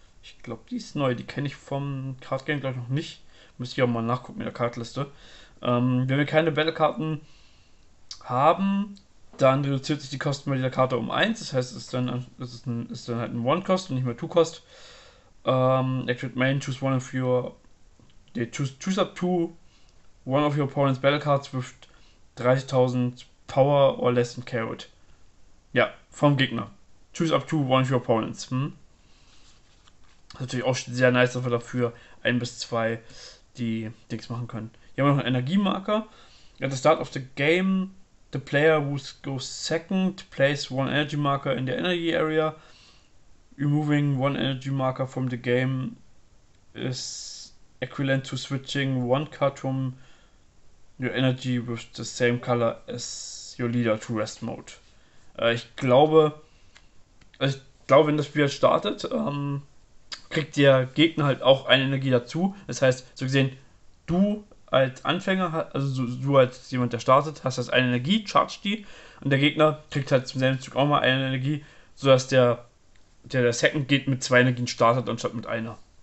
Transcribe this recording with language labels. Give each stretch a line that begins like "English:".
German: Ich glaube, die ist neu. Die kenne ich vom Card Game gleich noch nicht. Müsste ich auch mal nachgucken in der Cardliste. Wenn wir keine Battle-Karten haben, dann reduziert sich die Kosten bei dieser Karte um 1. Das heißt, ist dann halt ein One-Cost und nicht mehr Two-Cost.
English: Activate Main, choose one of your. Nee, choose up to one of your opponent's Battle Cards with 30.000 Power or less than carried.
German: Ja, vom Gegner.
English: Choose up to one of your opponents.
German: Ist natürlich auch sehr nice, dass wir dafür ein bis zwei die Dings machen können. Hier haben wir noch einen Energiemarker.
English: At the start of the game. The player who goes second place one energy marker in the energy area. Removing one energy marker from the game is equivalent to switching one card from your energy with the same color as your leader to rest mode.
German: Ich glaube, wenn das Spiel startet, kriegt der Gegner halt auch eine Energie dazu. Das heißt, so gesehen, du als Anfänger, also du als jemand, der startet, hast das eine Energie, charge die, und der Gegner kriegt halt zum selben Zug auch mal eine Energie, sodass der Second geht mit zwei Energien startet, anstatt mit einer.